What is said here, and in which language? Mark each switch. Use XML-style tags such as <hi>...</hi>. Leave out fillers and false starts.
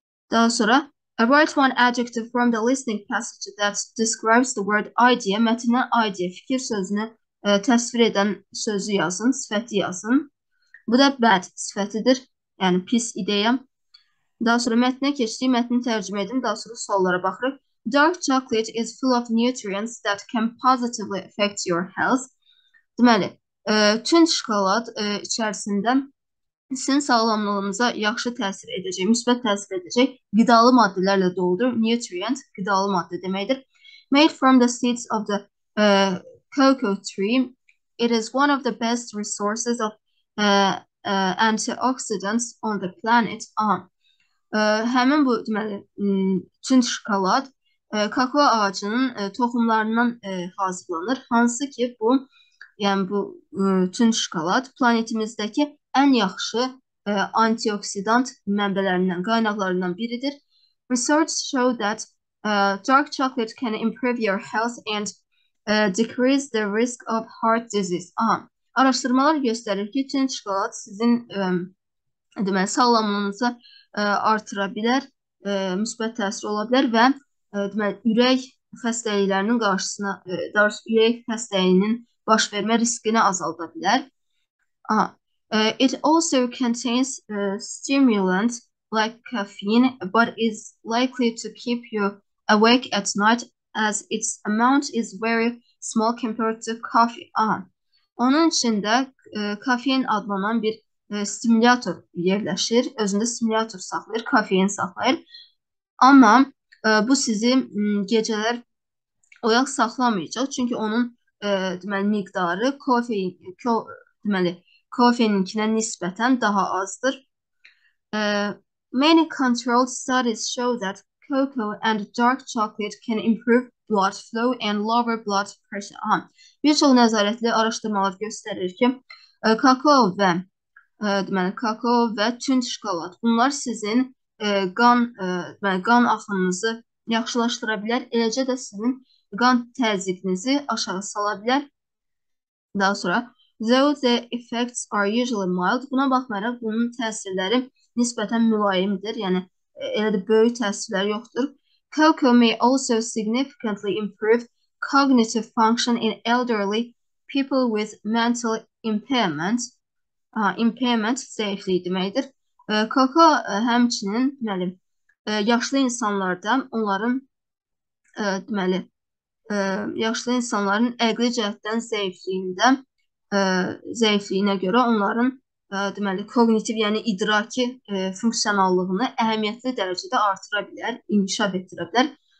<az>Daha sonra</az> <en>write one adjective from the listening passage that describes the word idea.</en> <az>Mətnə idea, fikir sözünü təsvir edən sözü yazın, sifəti yazın. Bu da bad sifətidir. Yəni pis ideya. Daha sonra mətnə keçdik. Mətni tərcümə edin. Daha sonra suallara baxırıq.</az> <en>Dark chocolate is full of nutrients that can positively affect your health.</en> <az>Deməli, tünd şokolad içərisində sizin sağlamlığınıza yaxşı təsir edəcək, müsbət təsir edəcək qidalı maddələrlə doludur. Nutrient, qidalı maddə deməkdir.</az> <en>Made from the seeds of the cocoa tree, it is one of the best resources of antioxidants on the planet.</en> <az>Həmin bu deməli tünd şokolad kakao ağacının tohumlarından hazırlanır. Hansı ki bu yəni bu tünd şokolad planetimizdəki ən yaxşı antioksidant mənbələrindən, qaynaqlarından biridir.</az> <en>Research show that dark chocolate can improve your health and decrease the risk of heart disease.</en> <az>Araşdırmalar göstərir ki, tünd şokolad sizin deməli sağlamlığınızı artıra bilər, müsbət təsir ola bilər və deməli ürək xəstəliklərinin qarşısına, ürək xəstəliyinin baş vermə riskini azalda bilər.</az> <en>It also contains stimulant like caffeine, but is likely to keep you awake at night as its amount is very small compared to coffee.</en> <tr>Onun içinde kafein adlanan bir stimülatör yerleşir. Özünde stimülatör saklayır, kafein saklayır. Ama bu sizi geceler oyak saklamayacak.</tr> <az>Çünkü onun deməli, miqdarı kofein, deməli, kofeininkine nispeten daha azdır.</az> <en>Many controlled studies show that cocoa and dark chocolate can improve blood flow and lower blood pressure.</en> <az>Birçok nəzarətli araşdırmalar göstərir ki, kakao və deməli kakao və tünd şokolad bunlar sizin qan deməli qan axınınızı yaxşılaşdıra bilər, eləcə də sizin qan təzyiqinizi aşağı sala bilər. Daha sonra</az> <en>though the effects are usually mild,</en> <az>buna baxmayaraq bunun təsirləri nisbətən mülayimdir, yəni elə də böyük təsirlər yoxdur.</az> <en>Cocoa may also significantly improve cognitive function in elderly people with mental impairment.</en> <az>Impairment zəiflik deməkdir. Cocoa həmçinin deməli yaşlı insanlarda onların deməli yaşlı insanların əqli cəhətdən zəifliyinə görə onların deməli kognitiv, yəni idraki funksionallığını əhəmiyyətli dərəcədə artıra bilər, inkişaf etdirə bilər.</az>